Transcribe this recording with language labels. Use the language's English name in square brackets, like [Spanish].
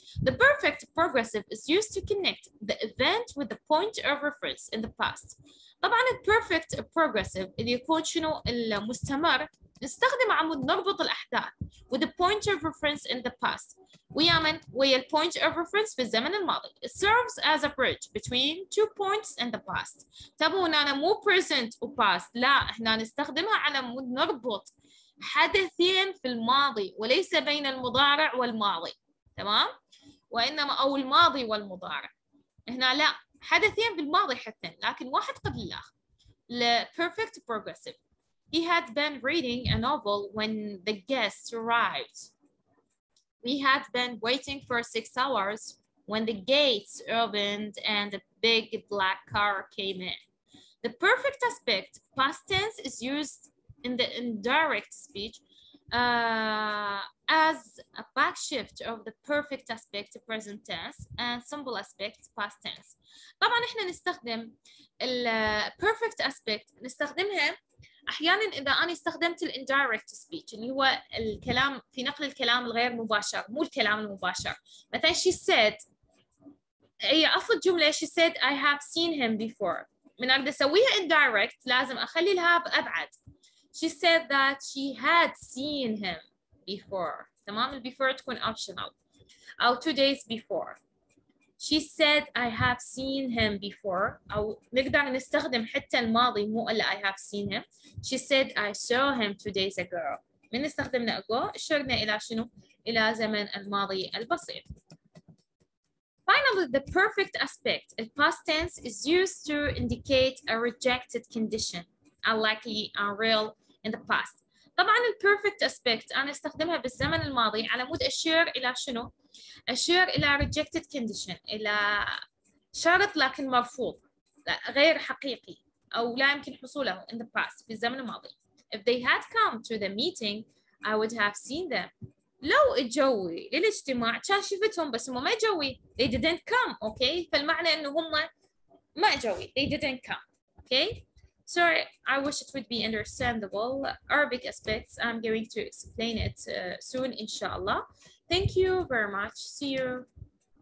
[English] The perfect progressive is used to connect the event with the point of reference in the past. [Arabic] طبعاً the perfect progressive اللي يكون شنو المستمر نستخدم عمود نربط الأحداث [English] with the point of reference in the past. [Arabic] ويا من ويا ال point of reference في الزمن الماضي. [English] It serves as a bridge between two points in the past. [Arabic] تابعوا هنا مو present و past. لا هنا نستخدمها على عمود نربط حدثين في الماضي وليس بين المضارع والماضي. تمام. وإنما أو الماضي والمضارع. هنا لا حدثين بالماضي حتى لكن واحد قبل الآخر. [English] The perfect progressive. He had been reading a novel when the guests arrived. We had been waiting for 6 hours when the gates opened and a big black car came in. The perfect aspect, past tense, is used in the indirect speech as a backshift of the perfect aspect, present tense, and simple aspect, past tense. [Arabic] طبعا احنا نستخدم perfect aspect, نستخدمها أحياناً إذا أنا استخدمت الـ indirect speech اللي هو الكلام في نقل الكلام الغير مباشر مو الكلام المباشر. [English] مثلاً she said [Arabic] هي أصل الجملة [English] she said I have seen him before. [Arabic] من أريد أسويها indirect لازم أخلي الـ have أبعد. [English] She said that she had seen him before. [Arabic] تمام الـ before تكون optional. [English] أو 2 days before. She said I have seen him before. [Arabic] أو نقدر نستخدم حتى الماضي مو إلا [English] I have seen him. She said I saw him 2 days ago. [Arabic] من استخدمنا ago أشرنا إلى شنو؟ إلى زمن الماضي البسيط. [English] Finally, the perfect aspect, the past tense, is used to indicate a rejected condition, unlikely, unreal in the past. [Arabic] طبعاً the perfect aspect أنا استخدمها بالزمن الماضي على مود أشير إلى شنو؟ أشير إلى rejected condition إلى شرط لكن مرفوض لا غير حقيقي أو لا يمكن حصوله [English] in the past [Arabic] في الزمن الماضي. [English] If they had come to the meeting I would have seen them. [Arabic] لو اجوي للاجتماع كان شفتهم بس هم ما اجوي. [English] They didn't come. [Arabic] Okay. فالمعنى إنه هم ما اجوي. [English] They didn't come. [Arabic] Okay. [English] Sorry, I wish it would be understandable. Arabic aspects, I'm going to explain it soon, inshallah. Thank you very much. See you.